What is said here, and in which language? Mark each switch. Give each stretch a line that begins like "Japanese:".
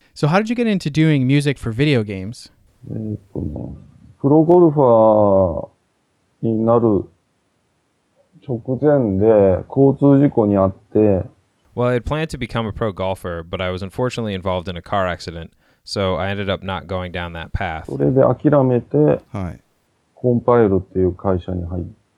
English: So how did you get into doing music for video games?
Japanese: プロゴルファーになる直前で交通事故にあって。
English: Well, I had planned to become a pro golfer, but I was unfortunately involved in a car accident, so I ended up not going down that path.
Japanese: それで諦めて、はい、コンパイルっていう会社に入って。